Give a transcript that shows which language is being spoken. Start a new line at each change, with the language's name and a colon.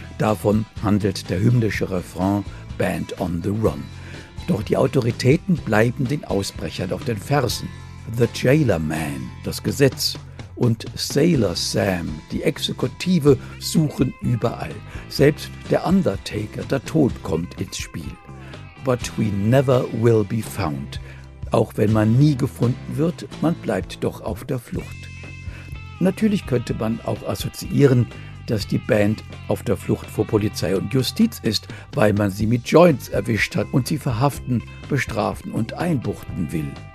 German: Davon handelt der hymnische Refrain Band on the Run. Doch die Autoritäten bleiben den Ausbrechern auf den Fersen. The Jailer Man, das Gesetz, und Sailor Sam, die Exekutive, suchen überall. Selbst der Undertaker, der Tod, kommt ins Spiel.
English: But we never will be found.
German: Auch wenn man nie gefunden wird, man bleibt doch auf der Flucht. Natürlich könnte man auch assoziieren, dass die Band auf der Flucht vor Polizei und Justiz ist, weil man sie mit Joints erwischt hat und sie verhaften, bestrafen und einbuchten will.